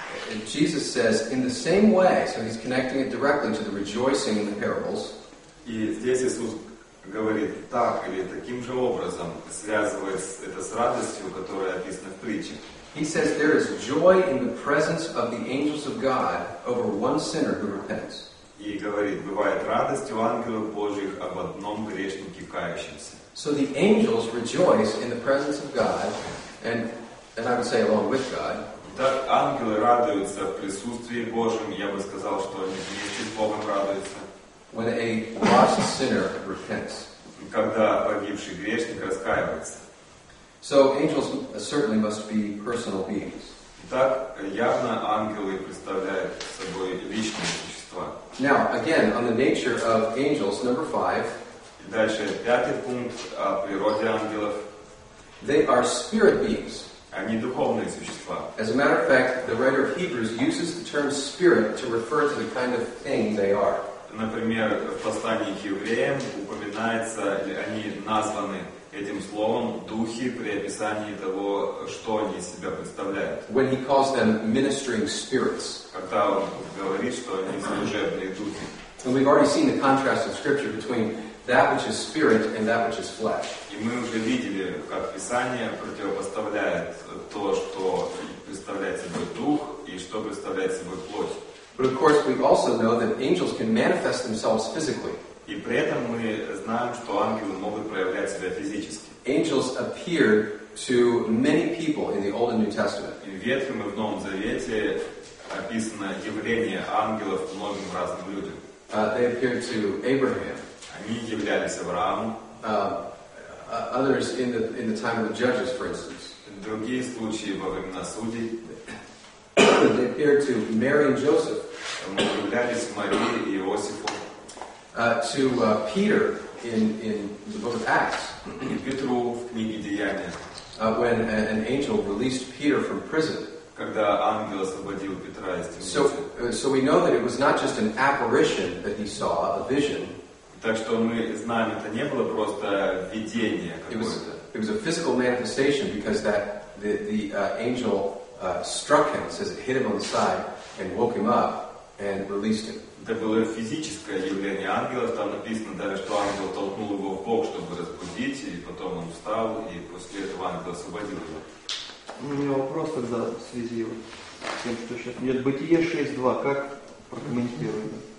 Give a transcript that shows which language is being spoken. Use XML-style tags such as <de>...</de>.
<en>And Jesus says, in the same way, so he's connecting it directly to the rejoicing in the parables.</en> <ru>И здесь Иисус говорит так или таким же образом, связывая это с радостью, которая описана в притче.</ru> <en>He says, there is joy in the presence of the angels of God over one sinner who repents.</en> <ru>И говорит, бывает радость у ангелов Божиих об одном грешнике кающемся.</ru> <en>So the angels rejoice in the presence of God, and I would say along with God.</en> <ru>Так ангелы радуются в присутствии Божьем. Я бы сказал, что они вместе с Богом радуются.</ru> <en>When a lost sinner repents.</en> <ru>Когда погибший грешник раскаивается.</ru> <en>So angels certainly must be personal beings.</en> <ru>Так явно ангелы представляют собой личные существа.</ru> <en>Now again on the nature of angels, number 5.</en> <ru>Дальше пятый пункт о природе ангелов.</ru> <en>They are spirit beings.</en> <ru>Они духовные существа.</ru> <en>As a matter of fact, the writer of Hebrews uses the term spirit to refer to the kind of thing they are.</en> <ru>Например, в послании к евреям упоминается, они названы этим словом духи при описании того, что они из себя представляют.</ru> <en>When he calls them ministering spirits.</en> <ru>Когда он говорит, что они служебные духи.</ru> <en>And we've already seen the contrast of scripture between that which is spirit and that which is flesh.</en> <ru>И мы уже видели, как Писание противопоставляет то, что представляет собой дух, и что представляет собой плоть.</ru> <en>But of course, we also know that angels can manifest themselves physically.</en> <ru>И при этом мы знаем, что ангелы могут проявлять себя физически.</ru> <en>Angels appear to many people in the Old and New Testament.</en> <ru>И в Ветхом и в Новом Завете описано явление ангелов многим разным людям.</ru> <en>They appear to Abraham.</en> <ru>Они являлись Аврааму.</ru> <en>Others in the time of the judges, for instance.</en> <ru>Другие случаи во времена судей.</ru> <en>They appeared to Mary and Joseph.</en> <ru>Являлись Марии и Иосифу.</ru> <en>To Peter in the book of Acts.</en> <ru>И Петру в книге Деяния.</ru> <en>When an angel released Peter from prison.</en> <ru>Когда ангел освободил Петра из темницы.</ru> <en>So we know that it was not just an apparition that he saw, a vision.</en> <ru>Так что мы знаем, это не было просто видение какое-то.</ru> <en>It was a physical manifestation because the angel struck him, says it hit him on the side and woke him up and released him.</en> <ru>Это было физическое явление ангелов. Там написано даже, что ангел толкнул его в бок, чтобы разбудить, и потом он встал, и после этого ангел освободил его. У меня вопрос тогда в связи с тем, что сейчас нет. Бытие 6.2, как прокомментируете?</ru>